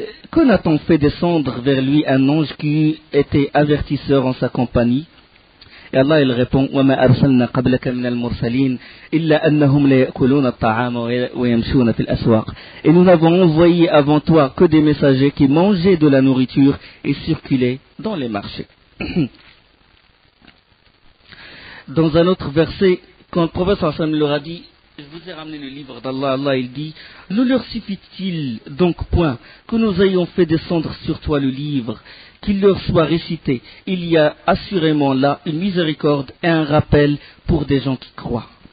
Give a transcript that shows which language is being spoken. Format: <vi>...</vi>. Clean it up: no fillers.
<fr>Qu'en a-t-on fait descendre vers lui un ange qui était avertisseur en sa compagnie? Et Allah il répond,</fr> <ar>وَمَا أَرْسَلْنَا قَبْلَكَ مِنَ الْمُرْسَلِينَ إِلَّا أَنَّهُمْ لَيَأْكُلُونَ الطَّعَامَ وَيَمْشُونَ فِي الْأَسْوَاقِ.</ar> <fr>Et nous n'avons envoyé avant toi que des messagers qui mangeaient de la nourriture et circulaient dans les marchés. Dans un autre verset, quand le prophète sallallahu alayhi wa sallam leur a dit, je vous ai ramené le livre d'Allah, Allah il dit, ne leur suffit-il donc point que nous ayons fait descendre sur toi le livre, qu'il leur soit récité, il y a assurément là une miséricorde et un rappel pour des gens qui croient.</fr>